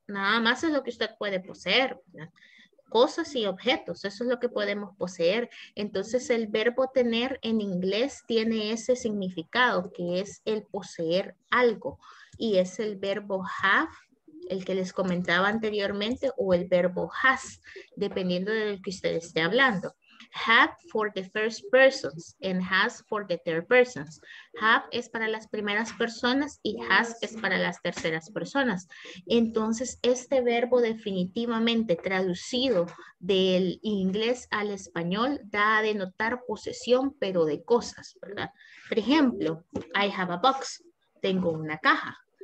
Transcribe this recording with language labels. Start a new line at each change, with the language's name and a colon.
Spanish: Nada más es lo que usted puede poseer, ¿verdad? Cosas y objetos, eso es lo que podemos poseer. Entonces el verbo tener en inglés tiene ese significado, que es el poseer algo. Y es el verbo have, el que les comentaba anteriormente, o el verbo has, dependiendo del que usted esté hablando.
English: Have for the first persons and has for the third persons.
Spanish: Have es para las primeras personas y has es para las terceras personas. Entonces, este verbo definitivamente traducido del inglés al español da a denotar posesión, pero de cosas, ¿verdad? Por ejemplo,
English: I have a box.
Spanish: Tengo una caja.